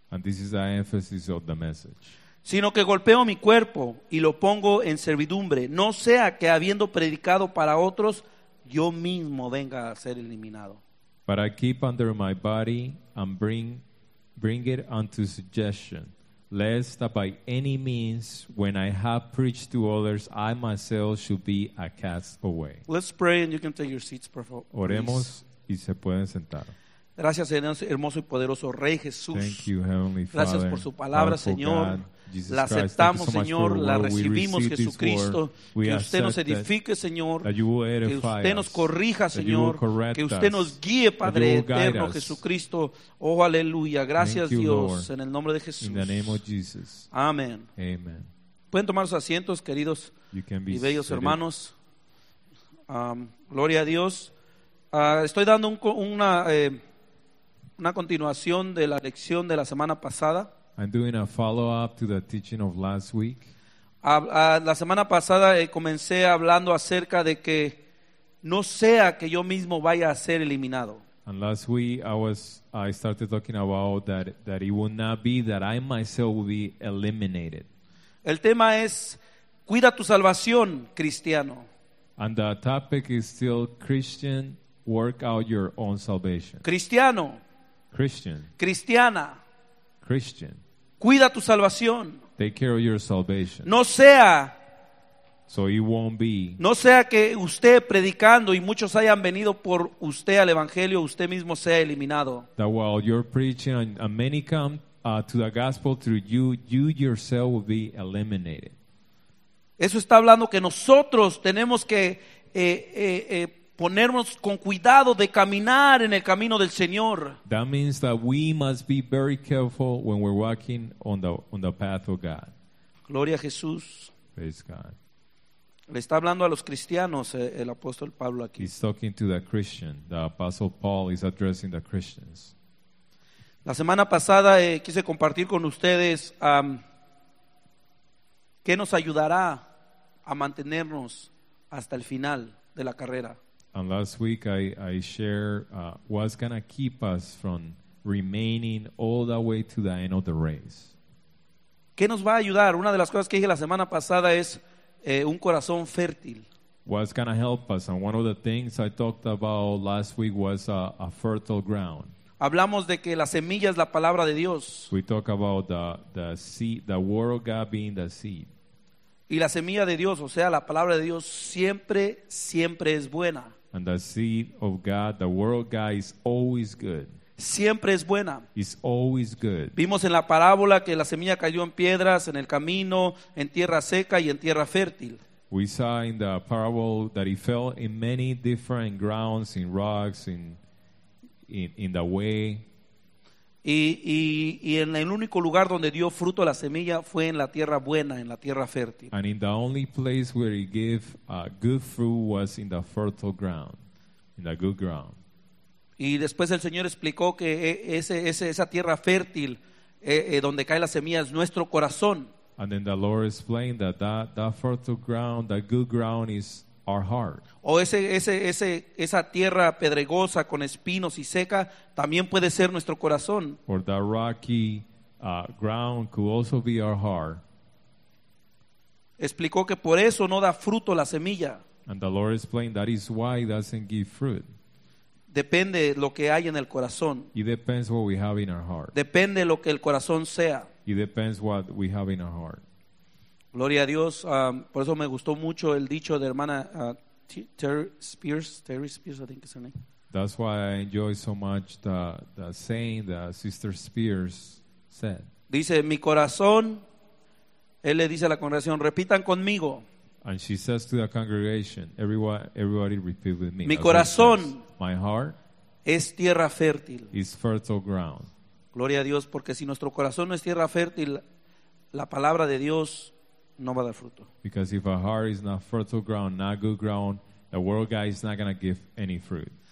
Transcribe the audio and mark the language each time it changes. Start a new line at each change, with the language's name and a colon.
English: And this is the emphasis of the message.
Spanish: Sino que golpeo mi cuerpo y lo pongo en servidumbre, no sea que habiendo predicado para otros, yo mismo venga a ser eliminado.
English: But I keep under my body and bring it unto subjection, lest that by any means, when I have preached to others, I myself should be a cast away. Let's pray and you can take your seats, please.
Spanish: Oremos y se pueden sentar. Gracias, hermoso y poderoso Rey Jesús.
English: Thank you, Heavenly Father.
Spanish: Gracias por su palabra, Señor. La aceptamos, Señor, la recibimos, Jesucristo. Que usted nos edifique, Señor. Que usted nos corrija, Señor. Que usted nos guíe, Padre eterno, Jesucristo. Oh, aleluya. Gracias, Dios, en el nombre de Jesús. Amén. Pueden tomar sus asientos, queridos y bellos hermanos. Gloria a Dios. Estoy dando una continuación de la lección de la semana pasada.
English: I'm doing a follow-up to the teaching of last week.
Spanish: La semana pasada comencé hablando acerca de que no sea que yo mismo vaya a ser eliminado.
English: And last week I started talking about that it would not be that I myself will be eliminated.
Spanish: El tema es cuida tu salvación, cristiano.
English: And the topic is still Christian, work out your own salvation.
Spanish: Cristiano.
English: Christian.
Spanish: Cristiana.
English: Christian.
Spanish: Cuida tu salvación.
English: Take care of your salvation.
Spanish: No sea.
English: So it won't be.
Spanish: No sea que usted predicando y muchos hayan venido por usted al evangelio, usted mismo sea eliminado.
English: That while you're preaching and many come to the gospel through you, you yourself will be eliminated.
Spanish: Eso está hablando que nosotros tenemos que ponernos con cuidado de caminar en el camino del Señor.
English: That means that we must be very careful when we're walking on the path of God.
Spanish: Gloria a Jesús.
English: Praise God.
Spanish: Le está hablando a los cristianos el apóstol Pablo aquí.
English: He's talking to the Christian. The apostle Paul is addressing the Christians.
Spanish: La semana pasada quise compartir con ustedes qué nos ayudará a mantenernos hasta el final de la carrera.
English: And last week I shared what's going to keep us from remaining all the way to the end of the race.
Spanish: ¿Qué nos va a ayudar? Una de las cosas que dije la semana pasada es un corazón fértil.
English: What's going to help us? And one of the things I talked about last week was a fertile ground.
Spanish: Hablamos de que la semilla es la palabra de Dios.
English: We talk about the seed, the word of God being the seed.
Spanish: Y la semilla de Dios, o sea, la palabra de Dios siempre, siempre es buena.
English: And the seed of God, the word of God is always good.
Spanish: Siempre es buena.
English: It's always good.
Spanish: Vimos en la parábola que la semilla cayó en piedras, en el camino, en tierra seca y en tierra fértil.
English: We saw in the parable that it fell in many different grounds, in rocks, in the way.
Spanish: Y en el único lugar donde dio fruto la semilla fue en la tierra buena, en la tierra fértil.
English: And in the only place where it gave good fruit was in the fertile ground, in the good ground.
Spanish: Y después el Señor explicó que esa tierra fértil donde cae la semilla es nuestro corazón.
English: And then the Lord explained that that fertile ground, that good ground, is our heart.
Spanish: O esa tierra pedregosa con espinos y seca también puede ser nuestro corazón.
English: Or that rocky ground could also be our heart.
Spanish: Explicó que por eso no da fruto la semilla.
English: And the Lord explained that is why it doesn't give fruit.
Spanish: Depende lo que hay en el corazón.
English: It depends what we have in our heart.
Spanish: Depende lo que el corazón sea.
English: It depends what we have in our heart.
Spanish: Gloria a Dios. Por eso me gustó mucho el dicho de hermana Terry Spears,
English: I think is her name. That's why I enjoy so much the saying that Sister Spears said.
Spanish: Dice, mi corazón. Él le dice a la congregación, repitan conmigo.
English: And she says to the congregation, everybody repeat with me.
Spanish: Mi corazón.
English: My heart
Spanish: es tierra fértil.
English: Is fertile ground.
Spanish: Gloria a Dios, porque si nuestro corazón no es tierra fértil, la palabra de Dios no va a dar fruto.
English: Because if our heart is not fertile ground, not good ground, the world guy is not going to give any fruit.